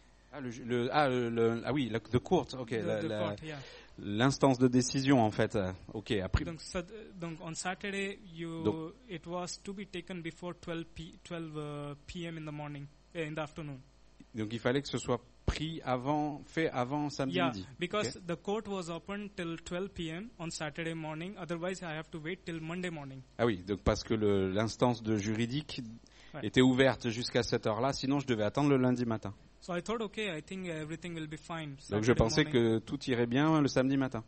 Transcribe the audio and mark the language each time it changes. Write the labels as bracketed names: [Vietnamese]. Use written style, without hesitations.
[English] The court, ok. The court. [French] L'instance de décision en fait, ok. Après. [English] Donc on Saturday, it was to be taken before 12 p.m. in the morning, in the afternoon. [French] Donc il fallait que ce soit pris avant, fait avant samedi midi. [English] Yeah, because the court was open till 12 p.m. on Saturday morning. Otherwise, I have to wait till Monday morning. [French] Ah oui, donc parce que l'instance de juridique était ouverte jusqu'à cette heure-là. Sinon, je devais attendre le lundi matin. [English] So I thought, okay, I think everything will be fine. [French] Donc je pensais que tout irait bien le samedi matin.